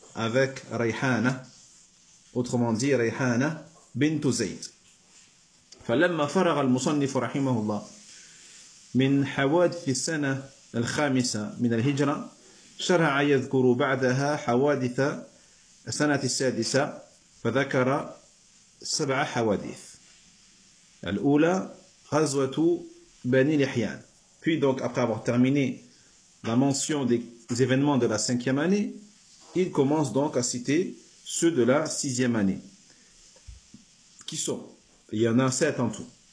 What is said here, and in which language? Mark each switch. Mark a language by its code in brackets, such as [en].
[fr] avec Rayhana, autrement dit Rayhana bint Zayd. [ar] فلما فرغ المصنف رحمه الله من حوادث السنة الخامسة من الهجرة شرع يذكر بعدها حوادث السنة السادسة فذكر سبع حوادث. الأولى غزوة بني لحيان. [fr] Puis donc après avoir terminé la mention des événements de la cinquième année, il commence donc à citer ceux de la sixième année. Qui sont? Il y en a sept en tout.